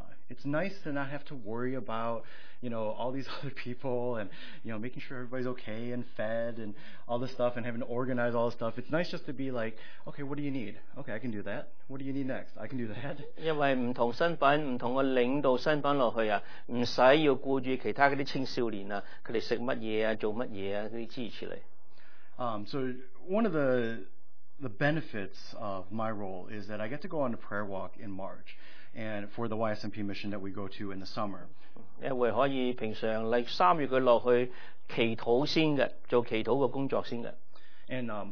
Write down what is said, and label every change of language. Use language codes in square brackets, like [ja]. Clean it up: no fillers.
[en] It's nice to not have to worry about, all these other people and, making sure everybody's okay and fed and all this stuff and having to organize all this stuff. It's nice just to be like, okay, what do you need? Okay, I can do that. What do you need next? I can do that. [yue] 因為唔同身份、唔同嘅領導身份落去啊，唔使要顧住其他嗰啲青少年啊，佢哋食乜嘢啊、做乜嘢啊，佢哋支持你。 [en] So one of the benefits of my role is that I get to go on a prayer walk in March and for the YSMP mission that we go to in the summer. And